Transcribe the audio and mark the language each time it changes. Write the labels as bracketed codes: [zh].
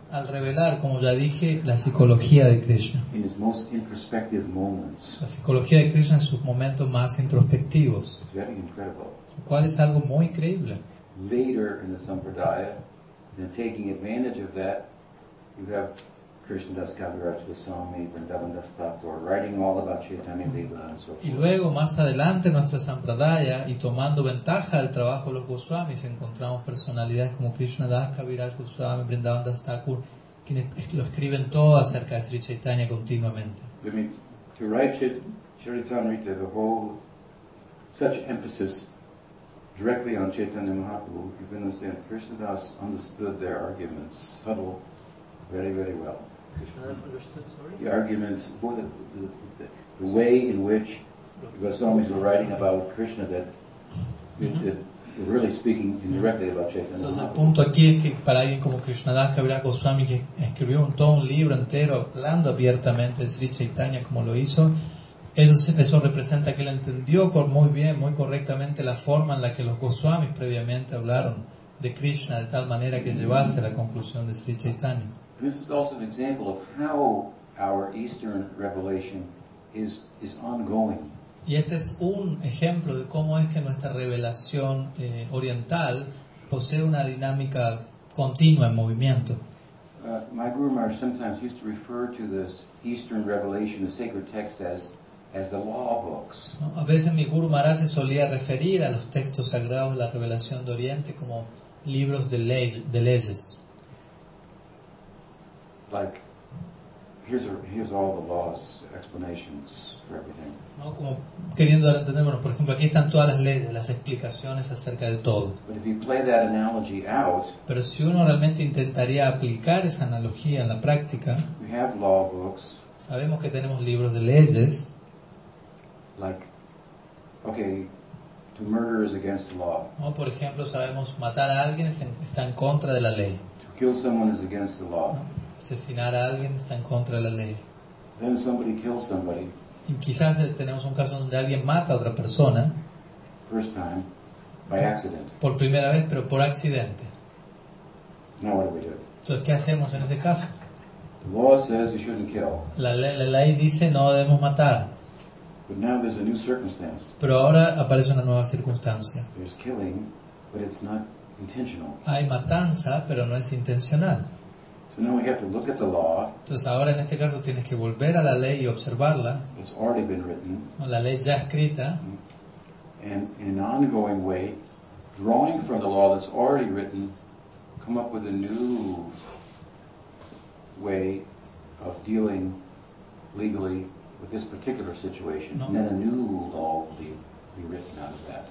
[es] Al revelar, como ya dije, la psicología de Krishna. [en] In his most introspective moments. [es] La psicología de Krishna en sus momentos más introspectivos. [en] It's very incredible. [es] Lo cual es algo muy increíble. [en] Later in the sampradaya, and taking advantage of that, you have Krishna Das Kaviraj Goswami, Vrindavan Das Thakur writing all about Chaitanya Lila and so forth. [es] Y luego, más adelante en nuestra sampradaya, y tomando ventaja del trabajo de los Goswamis, encontramos personalidades como Krishna Das Kaviraj Goswami, Vrindavan Das Thakur, quienes lo escriben todo acerca de Sri Chaitanya continuamente. [en] I mean, to write Charitamrita, the whole, such emphasis directly on Chaitanya Mahaprabhu, you can understand Krishna Das understood their arguments, subtle, very, very well. The arguments, the way in which the Goswamis were writing about Krishna that were really speaking indirectly about Chaitanya. [es] Entonces el punto aquí es que para alguien como Krishna Das Kaviraj Goswami que escribió un libro entero hablando abiertamente de Sri Chaitanya como lo hizo, eso representa que él entendió muy bien, muy correctamente la forma en la que los Goswamis previamente hablaron de Krishna de tal manera que llevase a la conclusión de Sri Chaitanya. [en] This is also an example of how our Eastern revelation is ongoing. [es] Y este es un ejemplo de cómo es que nuestra revelación oriental posee una dinámica continua en movimiento. [en] My Guru Maharaj sometimes used to refer to this Eastern revelation, the sacred text, as the law books. [es] No, a veces mi Guru Maharaj se solía referir a los textos sagrados de la revelación de Oriente como libros de leyes. [en] Like, here's all the laws, explanations for everything. [es] No, como queriendo entender, bueno, por ejemplo, aquí están todas las leyes, las explicaciones acerca de todo. [en] But if you play that analogy out, [es] pero si uno realmente intentaría aplicar esa analogía en la práctica, [en] we have law books. [es] Sabemos que tenemos libros de leyes. [en] Like, okay, to murder is against the law. [es] No, por ejemplo, sabemos matar a alguien está en contra de la ley. [en] To kill someone is against the law. [es] Asesinar a alguien está en contra de la ley. [en] then somebody kills somebody. [es] Y quizás tenemos un caso donde alguien mata a otra persona. [en] First time, by accident. [es] Por primera vez, pero por accidente. [en] Now what do we do? [es] Entonces, ¿qué hacemos en ese caso? [en] The law says you shouldn't kill. [es] La ley dice no debemos matar. [en] But now there's a new circumstance. [es] Pero ahora aparece una nueva circunstancia. [en] There's killing, but it's not intentional. [es] Hay matanza, pero no es intencional. [en] So now we have to look at the law. [es] Entonces ahora en este caso tienes que volver a la ley y observarla. [en] It's already been written. [es] La ley ya escrita. [en] And in an ongoing way, drawing from the law that's already written, come up with a new way of dealing legally with this particular situation, no. And then a new law will be written out of that.